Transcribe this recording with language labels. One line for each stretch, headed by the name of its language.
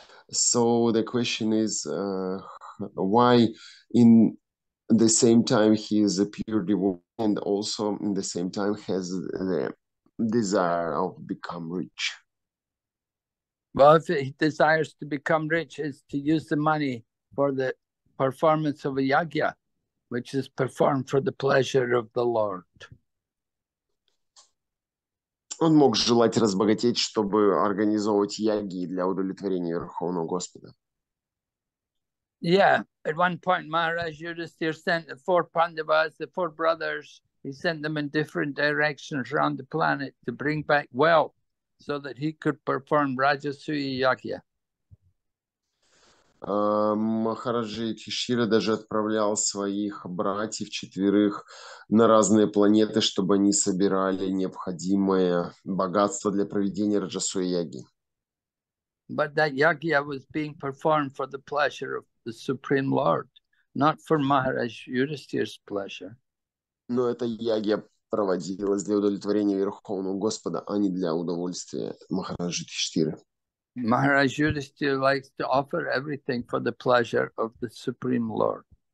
English: So the question is, why in the same time he is a pure devotee and also in the same time has the desire of become rich? Well, if he desires to become rich, is to use the money for the performance of a yajna, which is performed for the pleasure of the Lord.
Russian: Он мог желать разбогатеть, чтобы организовывать яги для удовлетворения Верховного Господа.
English: Yeah, at one point Maharaj Yudhisthira sent the four Pandavas, the four brothers, he sent them in different directions around the planet to bring back wealth so that he could perform Rajasuya Yagya.
Russian: Махараджа Юдхиштхира даже отправлял своих братьев четверых на разные планеты, чтобы они собирали необходимое богатство для проведения Раджасуя Яги.
English: But that yagya was being performed for the pleasure of the Supreme Lord, not for Maharaj Yudhisthira's pleasure.
Russian: Но эта ягья проводилась для удовлетворения Верховного Господа, а не для удовольствия Махараджа Юдхиштхиры.
English: Maharaj Yudhisthira likes to offer everything for the pleasure of the Supreme Lord.